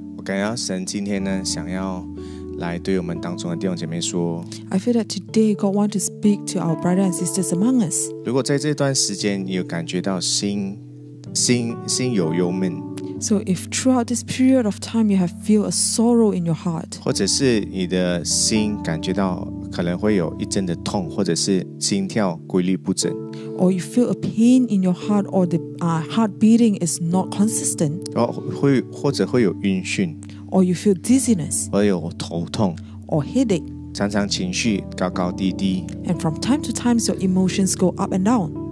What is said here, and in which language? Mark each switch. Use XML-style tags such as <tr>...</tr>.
<zh>我感到神今天呢想要来对我们当中的弟兄姐妹说</zh> <en>I feel that today God wants to speak to our brothers and sisters among us。</en> <zh>如果在这段时间你有感觉到心有忧闷，</zh> <en>So if throughout this period of time you have feel a sorrow in your heart，</en> <zh>或者是你的心感觉到可能会有一阵的痛，或者是心跳规律不整，</zh> <en>or you feel a pain in your heart, or the heart beating is not consistent，</en> <zh>或者会有晕眩，</zh> <en>or you feel dizziness，</en> <zh>或有头痛，</zh> <en>or headache，</en> <zh>常常情绪高高低低，</zh> <en>and from time to time your emotions go up and down，</en>